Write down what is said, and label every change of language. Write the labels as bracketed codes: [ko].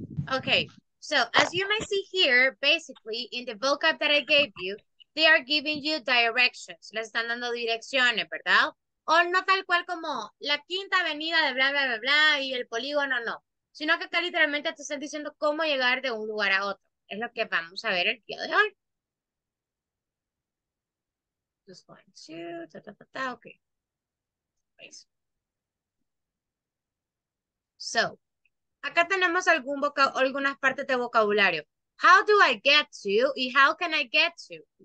[en] Okay, so as you may see here, basically, in the vocab that I gave you, they are giving you directions. [es] Les están dando direcciones, ¿verdad? O no tal cual como la quinta avenida de bla, bla, bla, bla, y el polígono, no. Sino que acá literalmente te están diciendo cómo llegar de un lugar a otro. Es lo que vamos a ver el día de hoy. [en] Just going to, ta, ta, ta, ta, okay. Nice. [es] So, acá tenemos algún algunas partes de vocabulario. [en] How do I get to y how can I get to?